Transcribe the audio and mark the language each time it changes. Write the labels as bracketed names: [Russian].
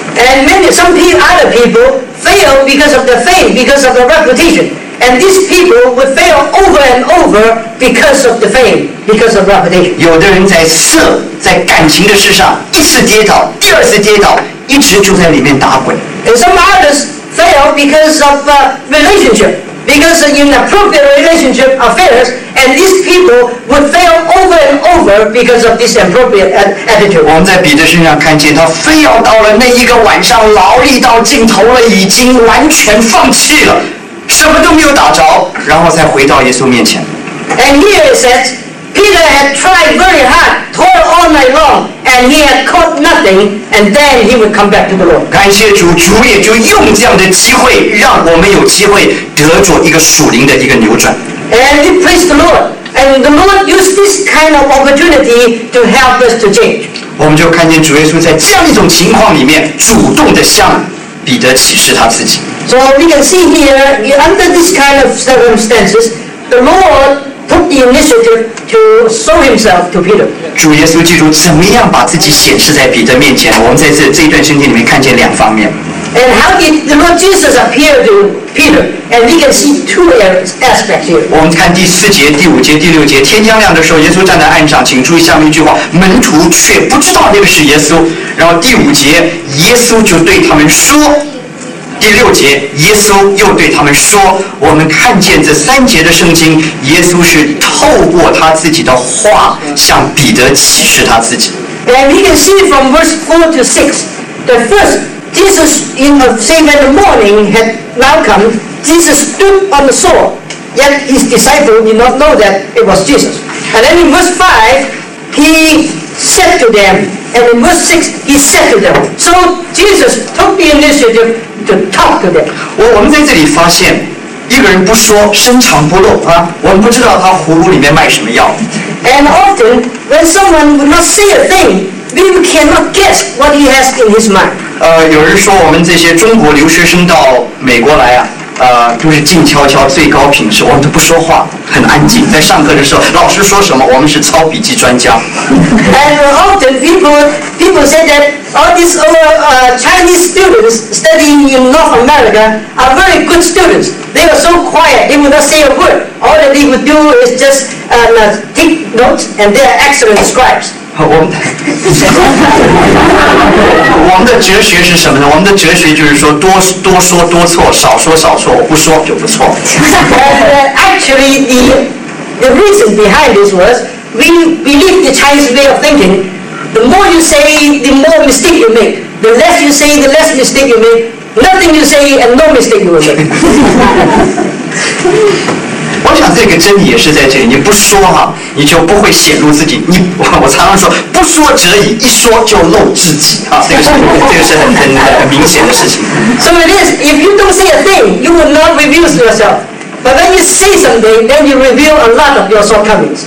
[English] And many some other people fail because of their fame, because of their reputation. And these people will fail over and over because of the fame, because of reputation. [Chinese] 有的人在色，在感情的事上一次跌倒，第二次跌倒，一直就在里面打滚。 [English] And some others fail because of relationship. Because inappropriate relationship affairs, and these people would fail over and over because of this inappropriate attitude. [Chinese] 我们在彼得身上看见，他 fail 到了那一个晚上，劳力到尽头了，已经完全放弃了，什么都没有打着，然后才回到耶稣面前。 [English] And here it says, Peter had tried very hard, toiled all night long, and he had caught nothing, and then he would come back to the Lord. [Chinese] 感谢主，主也就用这样的机会，让我们有机会。得着一个属灵的一个扭转。 [English] And we praise the Lord, and the Lord used this kind of opportunity to help us to change. [Chinese] 我们就看见主耶稣在这样一种情况里面，主动的向彼得启示他自己。 [English] So we can see here, under this kind of circumstances, the Lord took the initiative to show himself to Peter. [Chinese] 主耶稣基督怎么样把自己显示在彼得面前？我们在这一段圣经里面看见两方面。 [English] And how did the Lord Jesus appear to Peter? And we can see two aspects here. [Chinese] 我们看第四节、第五节、第六节。天将亮的时候，耶稣站在岸上，请注意下面一句话：门徒却不知道那个是耶稣。然后第五节，耶稣就对他们说；第六节，耶稣又对他们说。我们看见这三节的圣经，耶稣是透过他自己的话向彼得启示他自己。 [English] And we can see from verse 4 to 6, the first. Jesus in the same way the morning had now come, Jesus stood on the shore, yet his disciples did not know that it was Jesus. And then in verse 5, he said to them, and in verse 6, he said to them. So Jesus took the initiative to talk to them. [Chinese] 我们在这里发现一个人不说深藏不露啊，我们不知道他葫芦里面卖什么药。 [English] And often, when someone would not say a thing, we cannot guess what he has in his mind. [Chinese] 有人说我们这些中国留学生到美国来啊，就是静悄悄，最高品质，我们都不说话，很安静。在上课的时候，老师说什么，我们是抄笔记专家。 [English] And often people say that all these Chinese students studying in North America are very good students. They are so quiet, they would not say a word. All that they would do is just take notes, and they are excellent scribes. [Chinese] 我们的哲学是什么呢？我们的哲学就是说多说多错，少说少错，不说就不错。 [English] Actually, the reason behind this was we believe the Chinese way of thinking. The more you say, the more mistake you make. The less you say, the less mistake you make. Nothing you say and no mistake you will make. [Chinese] 我想这个真理也是在这里，你不说哈，你就不会显露自己。我常常说，不说则已，一说就露自己啊，这个是很明显的事情。 [English] So it is. If you don't say a thing, you will not reveal yourself. But when you say something, then you reveal a lot of your shortcomings.